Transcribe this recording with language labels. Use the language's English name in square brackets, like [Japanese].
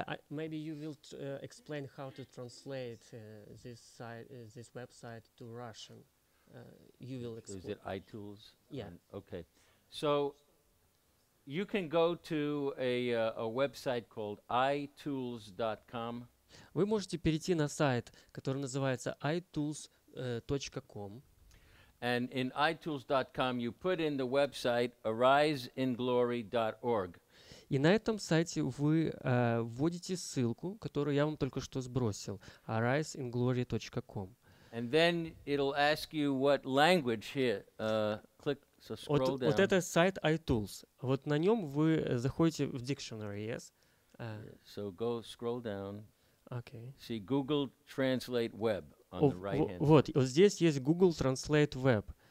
[English] maybe you will explain how to translate this site, this website to Russian. You will explain. Is it iTools? Yeah. And, okay. So you can go to a website called itools.com. [Russian] Вы можете перейти на сайт, который называется itools.com. [English] And in itools.com you put in the website ariseinglory.org. [Russian] И на этом сайте вы вводите ссылку, которую я вам только что сбросил, ariseinglory.com. [English] And then it'll ask you what language here. Click, so scroll down. [Russian] Вот это сайт iTools. Вот на нем вы заходите в dictionary, yes? [English] So go scroll down. Okay. See Google Translate Web on the right hand. [Russian] Вот, вот здесь есть Google Translate Web.